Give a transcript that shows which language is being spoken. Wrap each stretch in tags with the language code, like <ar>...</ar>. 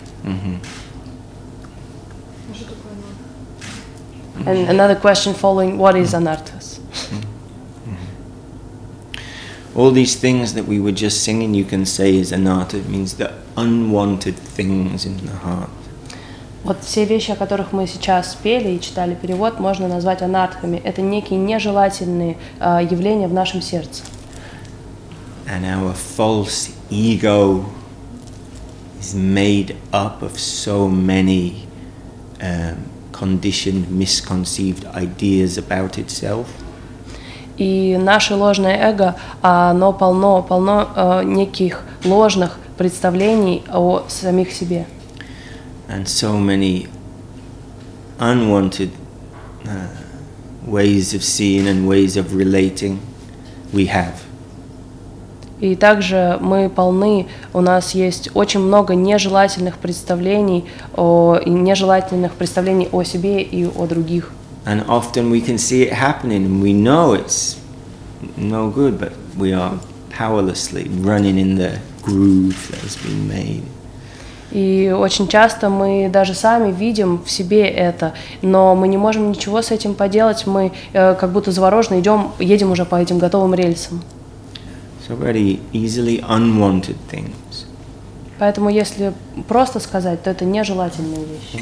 <en>Mm-hmm. And another question following, what is anarthas? All these things that we were just singing, you can say is anartha. It means the unwanted things in the heart.</en> <ru>Вот все вещи, о которых мы сейчас пели и читали перевод, можно назвать анартхами. Это некие нежелательные явления в нашем сердце.</ru> <en>And our false ego is made up of so many conditioned, misconceived ideas about itself.</en> <ru>И наше ложное эго, оно полно неких ложных представлений о самих себе.</ru> <en>And so many unwanted ways of seeing and ways of relating we have.</en> <ru>И также мы полны, у нас есть очень много нежелательных представлений о, нежелательных представлений о себе и о других.</ru> <en>And often we can see it happening, and we know it's no good, but we are powerlessly running in the groove that has been made.</en> <ru>И очень часто мы даже сами видим в себе это, но мы не можем ничего с этим поделать, мы как будто завороженно идем, едем уже по этим готовым рельсам.</ru> <en>So very easily unwanted things.</en> <ru>Поэтому если просто сказать, то это нежелательные вещи.</ru>